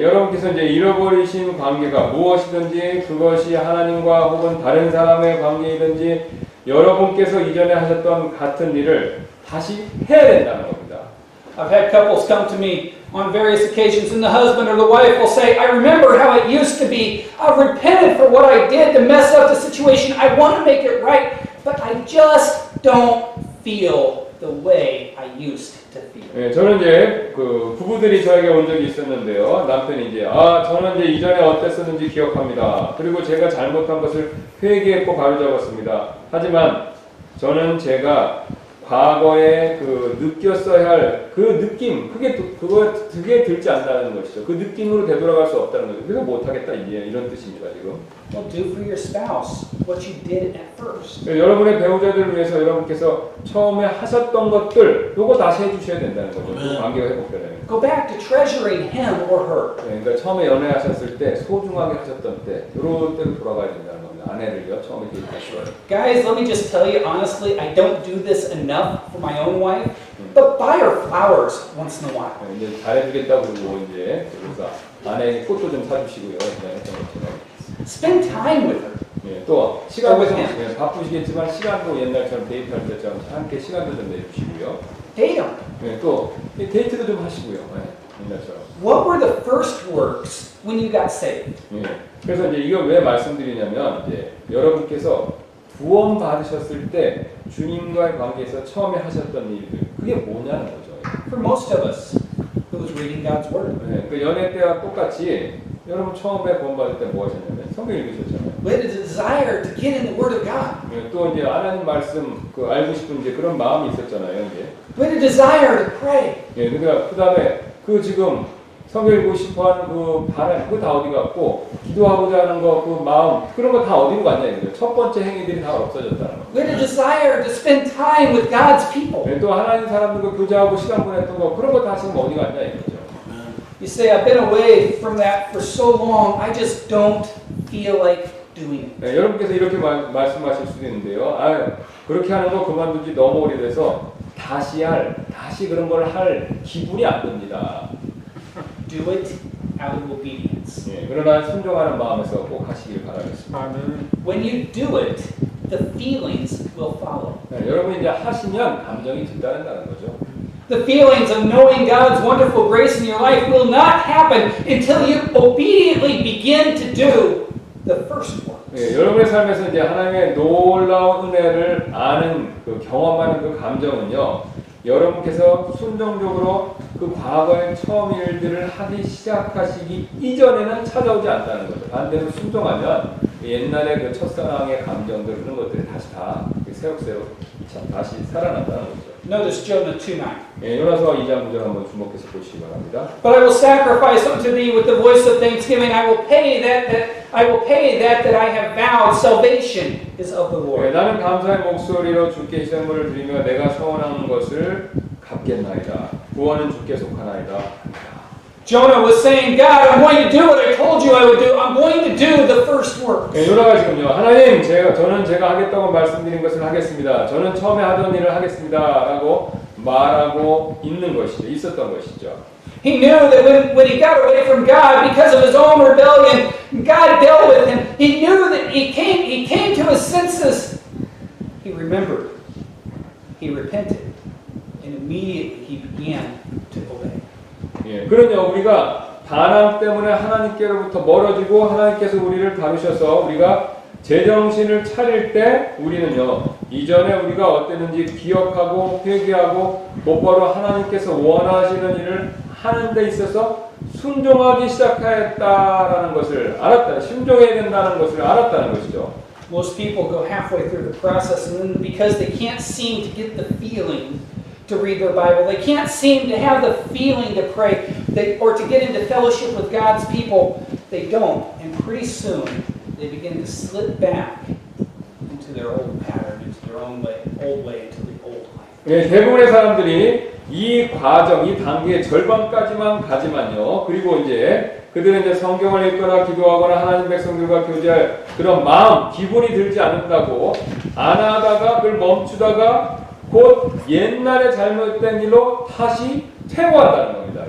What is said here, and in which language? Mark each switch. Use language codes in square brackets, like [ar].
[ko] 예, 여러분께서 이제 잃어버리신 관계가 무엇이든지 그것이 하나님과 혹은 다른 사람의 관계이든지 여러분께서 이전에 하셨던 같은 일을 다시 해야 된다는 겁니다. [en] I've had couples come to me. On various occasions, and the husband or the wife will say, I remember how it used to be. I've repented for what I did to mess up the situation. I want to make it right, but I just don't feel the way I used to feel. [ko] 예, 저는 이제 그 부부들이 저에게 온 적이 있었는데요. 남편이 이제, 아, 저는 이제 이전에 어땠었는지 기억합니다. 그리고 제가 잘못한 것을 회개했고 바로잡았습니다. 하지만 저는 제가 과거에 그 느꼈어야 할 그 느낌 그게 들지 않는다는 것이죠. 그 느낌으로 되돌아갈 수 없다는 거죠. 그래서 못하겠다 이제 이런 뜻입니다. 지금. [en] Well, do for your spouse what you did at first. [ko] 여러분의 배우자들을 위해서 여러분께서 처음에 하셨던 것들 요거 다시 해주셔야 된다는 거죠. 그 관계가 회복되려면. [en] Go back to treasuring him or her. [ko] 네, 그러니까 처음에 연애하셨을 때 소중하게 하셨던 때 요런 때로 돌아가야 된다는 거죠. 아내를요, 처음에 기억하시고요. [en] Guys, let me just tell you honestly, I don't do this enough for my own wife, but buy her flowers once in a while. [ko] 네, 이제 잘해주겠다고 그러고 이제 그래서 아내에게 꽃도 좀 사주시고요. 네, [en] Spend time with her. [ko] 네, 또 시간도 좀 네, 바쁘시겠지만 시간도 옛날처럼 데이트할 때처럼 함께 시간도 좀 내주시고요. [en] Date. [ko] 네, 또 데이트도 좀 하시고요. 네, 옛날처럼. [en] What were the first works when you got saved? [ko] 네. 그래서 이제 이걸 왜 말씀드리냐면 이제 여러분께서 구원 받으셨을 때 주님과의 관계에서 처음에 하셨던 일들 그게 뭐냐는 거죠. [en] For most of us, it was reading God's word. [ko] 네, 그 연애 때와 똑같이 여러분 처음에 구원 받을 때 뭐 하셨냐면 성경 읽으셨잖아요. [en] With a desire to get in the Word of God. [ko] 네, 또 이제 하나님 말씀 그 알고 싶은 이제 그런 마음이 있었잖아요. 이제. [en] With a desire to pray. [ko] 예, 네, 그러니까 그다음에 그 지금 성경 읽고 싶어하는 그 바람 그 다 어디 갔고 기도하고자 하는 거 그 마음 그런 거 다 어디로 갔냐 이거죠. 첫 번째 행위들이 다 없어졌다는 거. [en] With a desire to spend time with God's people. [ko] 네, 또 하나님 사람들과 교제하고 시간 보냈던 거 그런 거 다 지금 어디 갔냐 이거죠. [en] You say I've been away from that for so long. I just don't feel like doing it. [ko] 네, 여러분께서 이렇게 말씀하실 수도 있는데요. 아, 그렇게 하는 거 그만두지 너무 오래돼서 다시 할, 다시 그런 걸 할 기분이 안 듭니다. [en] Do it out of obedience. [ko] 예, 그러나 순종하는 마음에서 꼭 하시길 바라겠습니다. [en] Amen. When you do it, the feelings will follow. [ko] 예, 여러분이 이제 하시면 감정이 뒤따른다는 거죠. [en] The feelings of knowing God's wonderful grace in your life will not happen until you obediently begin to do the first works. [ko] 예, 여러분의 삶에서 이제 하나님의 놀라운 은혜를 아는 그 경험하는 그 감정은요. 여러분께서 순종적으로 그 과거의 처음 일들을 하기 시작하시기 이전에는 찾아오지 않다는 거죠. 반대로 순종하면 옛날의 그 첫사랑의 감정들 그런 것들이 다시 다 새록새록 다시 살아난다는 거죠. [en] Notice Jonah 2:9. [ko] 예, 요나서 2장 9절 한번 주목해서 보시기 바랍니다. [en] But I will sacrifice unto thee with the voice of thanksgiving. I will pay that that I have vowed. Salvation is of the Lord. [ko] 예, 나는 감사의 목소리로 주께 희생물을 드리며 내가 서원하는 것을 갚겠나이다. 구원은 주께 속하나이다. [en] Jonah was saying, God, I'm going to do what I told you I would do. I'm going to do the first works. [ko] 예, 요나가 지금요. 하나님, 저는 제가 하겠다고 말씀드린 것을 하겠습니다. 저는 처음에 하던 일을 하겠습니다. 라고 말하고 있는 것이죠. 있었던 것이죠. [en] He knew that when he got away from God because of his own rebellion, God dealt with him. He knew that he came to his senses. He remembered. He repented. And immediately he began to obey. [ko] 예, 그러냐 우리가 반항 때문에 하나님께로부터 멀어지고 하나님께서 우리를 다루셔서 우리가 제정신을 차릴 때 우리는요 이전에 우리가 어땠는지 기억하고 회개하고 곧바로 하나님께서 원하시는 일을 하는 데 있어서 순종하기 시작했다라는 것을 알았다 순종해야 된다는 것을 알았다는 것이죠. [en] Most people go halfway through the process and then because they can't seem to get the feeling to read their Bible. They can't seem to have the feeling to pray or to get into fellowship with God's people. They don't. And pretty soon, they begin to slip back into their old pattern, into their own way, old way, into the old life. [ko] 예, 대부분의 사람들이 이 과정, 이 단계의 절반까지만 가지만요. 그리고 이제 그들은 이제 성경을 읽거나 기도하거나 하나님 백성들과 교제할 그런 마음, 기분이 들지 않는다고 안 하다가 그걸 멈추다가 곧 옛날에 잘못된 일로 다시 퇴고한다는 겁니다.